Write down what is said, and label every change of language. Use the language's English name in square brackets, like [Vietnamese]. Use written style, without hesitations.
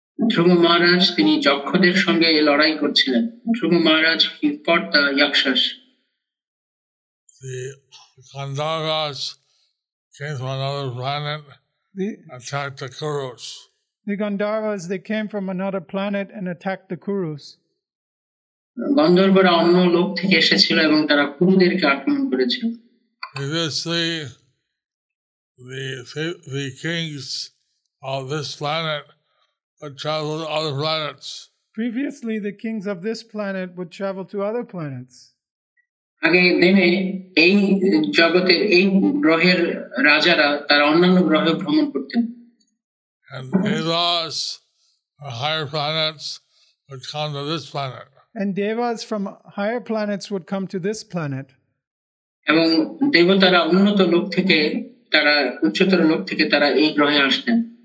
[Bangla] ধ্রুব মহারাজ তিনি যক্ষদের সঙ্গে লড়াই করছিলেন. [English] Dhruva Maharaj he fought the yakshas. The Gandharvas came from another planet and attacked the Kurus. The Gandharvas, they came from another planet and attacked the Kurus. [Bangla] গন্ধর্বরা অন্য লোক থেকে এসেছিল এবং তারা কুরুদেরকে আক্রমণ করেছিল. [English] Previously, the kings of this planet would travel to other planets. Previously, the kings of this planet would travel to other planets. [Bangla] আগে দিনে এই জগতের এই গ্রহের রাজারা তারা অন্যান্য গ্রহে ভ্রমণ করতেন [English] and devas are higher planets would come to this planet and devas from higher planets would come to this planet [Bangla] এবং দেবতারা উন্নত লোক থেকে তারা উচ্চতর লোক থেকে তারা এই গ্রহে আসতেন